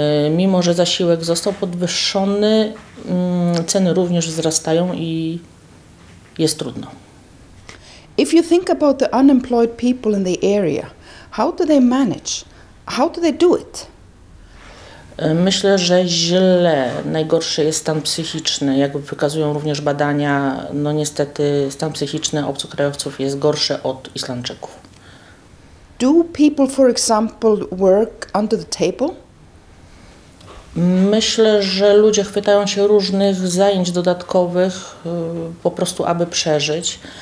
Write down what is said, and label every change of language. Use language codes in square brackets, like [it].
[pl] Mimo, że zasiłek został podwyższony, ceny również wzrastają i jest trudno. [en] If you think about the unemployed people in the area, how do they manage? How do they do it? [pl] Myślę, że źle. Najgorszy jest stan psychiczny, jak wykazują również badania. No niestety stan psychiczny obcokrajowców jest gorszy od Islandczyków. [en] Do people, for example, work under the table? [pl] Myślę, że ludzie chwytają się różnych zajęć dodatkowych, po prostu aby przeżyć.